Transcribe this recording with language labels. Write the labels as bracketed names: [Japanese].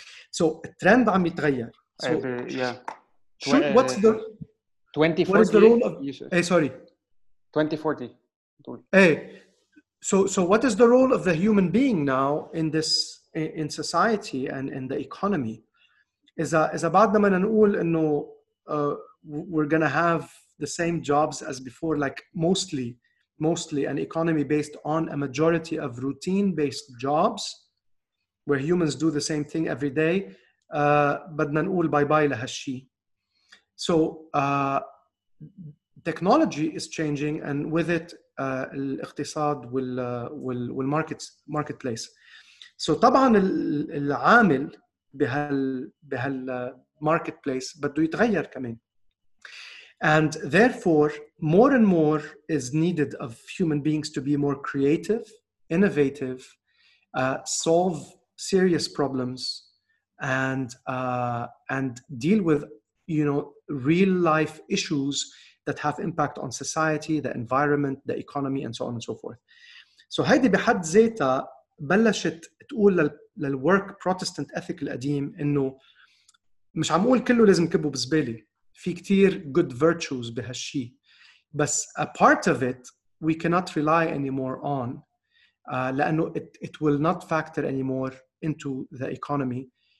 [English] So trend [Arabic] عم يتغير. [English] So, So what is the role of the human being now in this, in society and in the economy? Is a [Arabic] بعدنا ما نقول إنه [English] we're gonna have the same jobs as before, like mostly an economy based on a majority of routine based jobs, where humans do the same thing every day. [Arabic] بدنا نقول باي باي لهالشي. [English] So technology is changing, and with it, [Arabic] الاقتصاد [English] والmarkets marketplace. [Arabic] So طبعاً العامل بهال marketplace بده يتغير كمان. [English] And therefore, more and more is needed of human beings to be more creative, innovative, solve serious problems, and deal with, you know, real life issues that have impact on society, the environment, the economy, and so on and so forth. [Arabic] So هيدي بحد ذاتها بلشت تقول لل [English] work Protestant ethic [Arabic] القديم إنه مش عم أقول كله لازم كبه بزبالي. في كتير [English] good virtues [Arabic] بهالشي. [English] بس a part of it we cannot rely anymore on, [Arabic] لأنه [English] it will not factor anymore into the economy.